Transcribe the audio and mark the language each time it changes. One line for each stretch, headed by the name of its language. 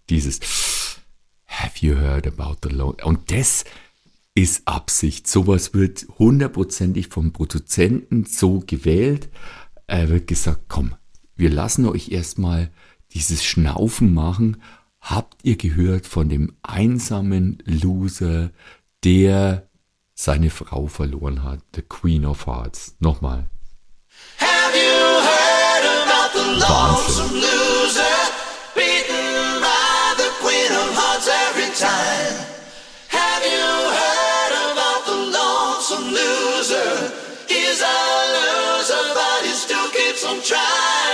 German: Dieses
English: Have you heard about the lonesome?
German: Und das ist Absicht. Sowas wird hundertprozentig vom Produzenten so gewählt. Er wird gesagt, komm, wir lassen euch erstmal dieses Schnaufen machen. Habt ihr gehört von dem einsamen Loser, der seine Frau verloren hat, the Queen of Hearts. Nochmal.
English: Have you heard about the lonesome loser beaten by the Queen of Hearts every time? Have you heard about the lonesome loser? He's a loser, but he still keeps on trying.